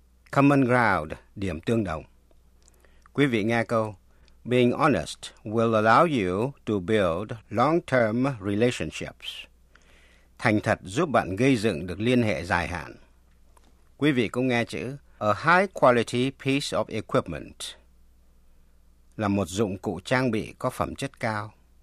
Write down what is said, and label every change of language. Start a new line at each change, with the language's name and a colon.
English: Common ground,
Vietnamese: điểm tương đồng. Quý vị nghe câu,
English: being honest will allow you to build long-term relationships.
Vietnamese: Thành thật giúp bạn gây dựng được liên hệ dài hạn. Quý vị cũng nghe chữ,
English: a high-quality piece of equipment,
Vietnamese: là một dụng cụ trang bị có phẩm chất cao.